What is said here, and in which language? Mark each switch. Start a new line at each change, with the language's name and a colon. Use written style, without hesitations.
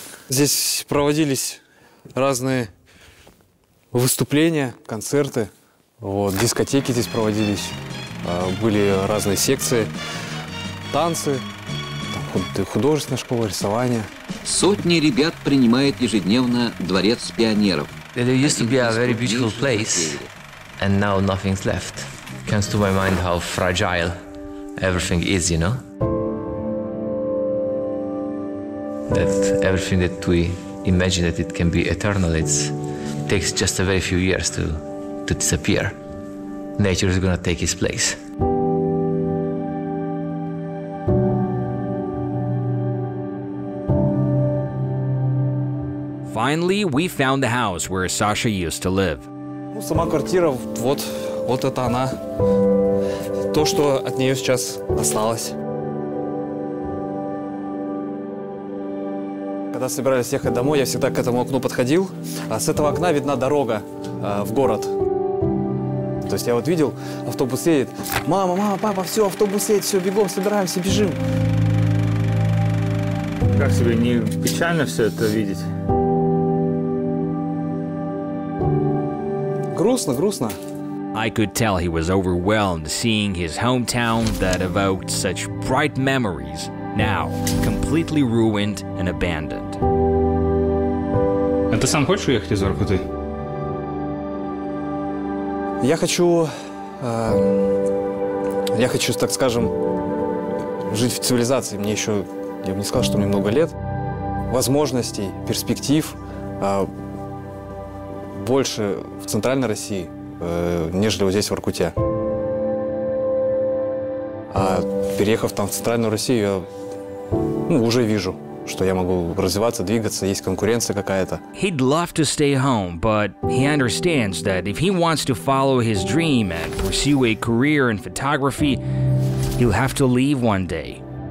Russian: Здесь проводились разные выступления, концерты. Вот, дискотеки здесь проводились. Были разные секции, танцы, художественная школа, рисование. Сотни ребят принимает ежедневно дворец пионеров.
English: There used to be a very beautiful place, and now nothing's left. It comes to my mind how fragile everything is, you know? That everything that we imagine that it can be eternal, it takes just a very few years to disappear. Nature is gonna take its place. Finally, we found the house where Sasha used to live.
Russian: Сама квартира, вот, вот это она. То, что от нее сейчас осталось. Когда собирались ехать домой, я всегда к этому окну подходил. А с этого окна видна дорога в город. То есть я вот видел, автобус едет. Мама, мама, папа, все, автобус едет, все, бегом, собираемся, бежим. Как себе, не печально все это видеть? Грустно, грустно.
English: I could tell he was overwhelmed seeing his hometown that evoked such bright memories now completely ruined and abandoned.
Russian: А ты сам хочешь уехать из Воркуты? Я хочу, так скажем, жить в цивилизации. Мне еще, я бы не сказал, что мне много лет. Возможностей, перспектив больше в Центральной России. Нежели вот здесь, в Воркуте. А переехав там в Центральную Россию, я уже вижу, что я могу развиваться, двигаться, есть конкуренция какая-то.
English: He'd love to stay home, but he understands that if he wants to follow his dream and pursue a career in photography, he'll have to leave one day.